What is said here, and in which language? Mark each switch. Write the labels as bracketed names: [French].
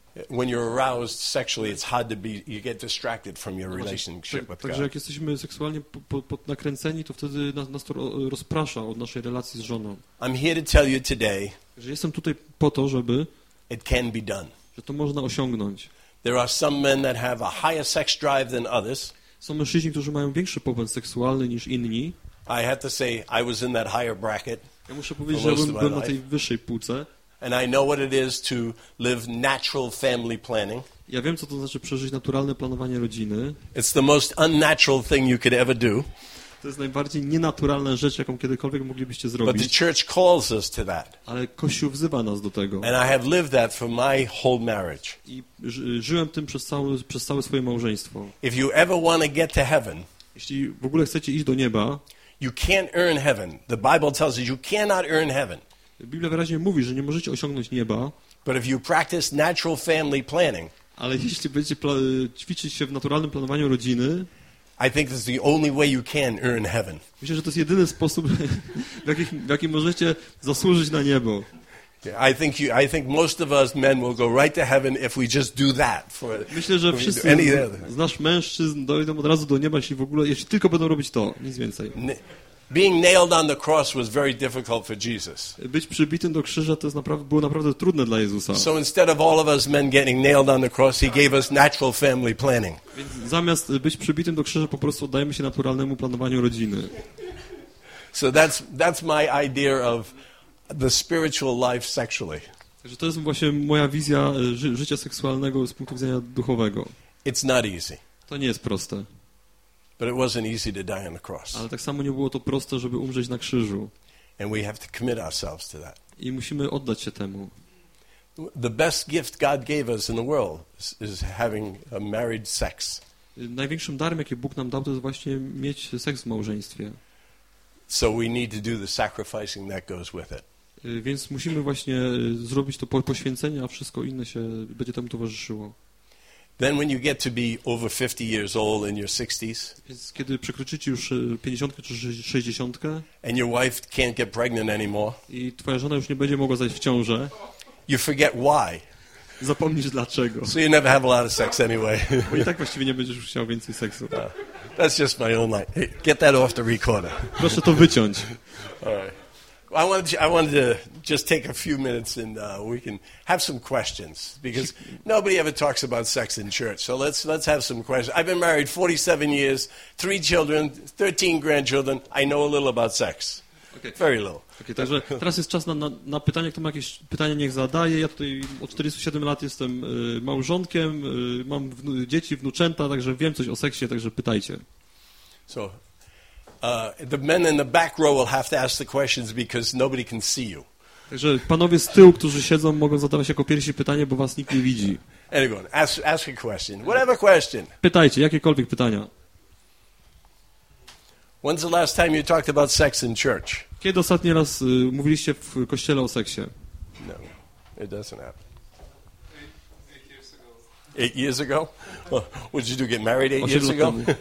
[English] When you're aroused sexually, it's hard to be. You get distracted from your relationship with God. [Polish] Także jak jesteśmy seksualnie pod nakręceni, to wtedy nas to rozprasza od naszej relacji z żoną. [English] I'm here to tell you today. [Polish] Że jestem tutaj po to, żeby. [English] It can be done. [Polish] Że to można osiągnąć. [English] There are some men that have a higher sex drive than others. [Polish] Są mężczyźni, którzy mają większy popęd seksualny niż inni. [English] I have to say, I was in that higher bracket. [Polish] Ja muszę powiedzieć, że byłem na tej wyższej półce. [English] And I know what it is to live natural family planning. [Polish] Ja wiem, co to znaczy przeżyć naturalne planowanie rodziny. [English] It's the most unnatural thing you could ever do. [Polish] To jest najbardziej nienaturalna rzecz, jaką kiedykolwiek moglibyście zrobić. [English] But the church calls us to that. [Polish] Ale Kościół wzywa nas do tego. [English] And I have lived that for my whole marriage. [Polish] I żyłem tym przez całe swoje małżeństwo. [English] If you ever want to get to heaven, [Polish] jeśli w ogóle chcecie iść do nieba, [English] you can't earn heaven. The Bible tells us you cannot earn heaven. [Polish] Biblia wyraźnie mówi, że nie możecie osiągnąć nieba. [English] But if you practice natural family planning, [Polish] ale jeśli będziecie ćwiczyć się w naturalnym planowaniu rodziny, [English] I think this is the only way you can earn heaven. [Polish] Myślę, że to jest jedyny sposób, w jaki możecie zasłużyć na niebo. [English] I think most of us men will go right to heaven if we just do that. [Polish] Myślę, że wszyscy z nas mężczyzn dojdą od razu do nieba, jeśli tylko będą robić to, nic więcej. [English] Being nailed on the cross was very difficult for Jesus. [Polish] Być przybitym do krzyża to było naprawdę trudne dla Jezusa. [English] So instead of all of us men getting nailed on the cross, he gave us natural family planning. [Polish] Zamiast być przybitym do krzyża, po prostu oddajemy się naturalnemu planowaniu rodziny. [English] So that's my idea of the spiritual life sexually. [Polish] Także to jest właśnie moja wizja życia seksualnego z punktu widzenia duchowego. [English] It's not easy. [Polish] To nie jest proste. [English] But it wasn't easy to die on the cross. [Polish] Ale tak samo nie było to proste, żeby umrzeć na krzyżu. [English] And we have to commit ourselves to that. [Polish] I musimy oddać się temu. [English] The best gift God gave us in the world is having a married sex. [Polish] Największym darem, jaki Bóg nam dał, to jest właśnie mieć seks w małżeństwie. [English] So we need to do the sacrificing that goes with it. [Polish] Więc musimy właśnie zrobić to poświęcenie, a wszystko inne się będzie temu towarzyszyło. [English] Then when you get to be over 50 years old in your 60s, [Polish] kiedy przekroczycie już 50 czy 60, [English] and your wife can't get pregnant anymore, [Polish] i twoja żona już nie będzie mogła zajść w ciążę, [English] you forget why. [Polish] Zapomnisz dlaczego. [English] So you never have a lot of sex anyway. [Polish] Bo i tak właściwie nie będziesz już chciał więcej seksu. [English] No. That's just my own life. Hey, get that off the recorder. [Polish] Proszę to wyciąć. [English] I wanted to just take a few minutes and we can have some questions because nobody ever talks about sex in church. So let's have some questions. I've been married 47 years, 3 children, 13 grandchildren. I know a little about sex. Okay. Very little. [Polish] Okay, także teraz jest czas na pytania. Kto ma jakieś pytania, niech zadaje. Ja tutaj od 47 lat jestem małżonkiem, mam dzieci, wnuczęta, także wiem coś o seksie, także pytajcie. [English] So, the men in the back row will have to ask the questions because nobody can see you. [Polish] Także panowie z tyłu, którzy siedzą, mogą zadawać jako pierwsi pytanie, bo was nikt nie widzi. [English] Anyone, ask a question. Whatever question. [Polish] Pytajcie, jakiekolwiek pytania. [English] When's the last time you talked about sex in church? [Polish] Kiedy ostatni raz mówiliście w kościele o seksie? [English] No, it doesn't happen. 8 years ago. 8 years ago? What did you do, get married 8 years ago?